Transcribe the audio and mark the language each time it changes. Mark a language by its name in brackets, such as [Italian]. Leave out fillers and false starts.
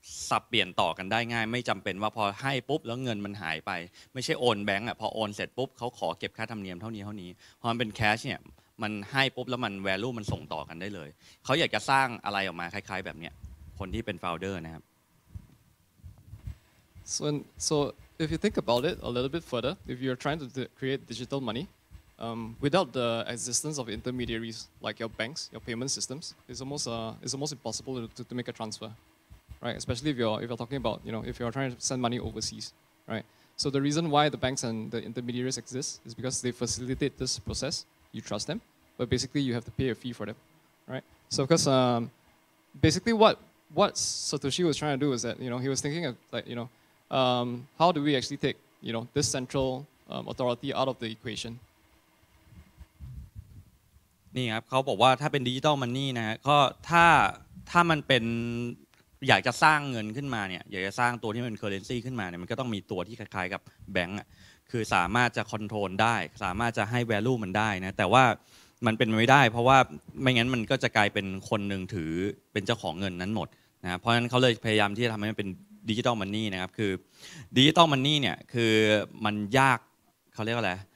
[Thai] สับเปลี่ยนต่อกันได้ง่ายไม่จำเป็นว่าพอให้ปุ๊บแล้วเงินมันหายไปไม่ใช่โอนแบงก์อ่ะพอโอนเสร็จปุ๊บเขาขอเก็บค่าธรรมเนียมเท่านี้พอมันเป็นแคชเนี่ยมันให้ปุ๊บแล้วมัน value มันส่งต่อกันได้เลยเขาอยากจะสร้างอะไรออกมาคล้ายๆแบบเนี้ยคนที่เป็น founder นะครับ [English] So if you think about it a little bit further, if you're trying to create digital money, without the existence of intermediaries like your banks, your payment systems, it's almost impossible to make a transfer, right? Especially if you're talking about, you know, if you're trying to send money overseas, right? So the reason why the banks and the intermediaries exist is because they facilitate this process. You trust them, but basically you have to pay a fee for them, right? So because basically what Satoshi was trying to do is that, you know, he was thinking of like, you know,how do we actually take, you know, this central authority out of the equation? [Thai] นี่ครับเขาบอกว่าถ้าเป็นดิจิตอลมันนี่นะฮะก็ถ้ามันเป็นอยากจะสร้างเงินขึ้นมาเนี่ยอยากจะสร้างตัวที่เป็นเคอร์เรนซีขึ้นมาเนี่ยมันก็ต้องมีตัวที่คล้ายๆกับแบงก์อ่ะคือสามารถจะคอนโทรลได้สามารถจะให้แวลูมันได้นะแต่ว่ามันเป็นไม่ได้เพราะว่าไม่งั้นมันก็จะกลายเป็นคนหนึ่งถือเป็นเจ้าของเงินนั้นหมดนะเพราะฉะนั้นเขาเลยพยายามที่จะทำให้มันเป็นดิจิตอลมันนี่นะครับคือดิจิตอลมันนี่เนี่ยคือมันยากเขาเรียกว่าอะไร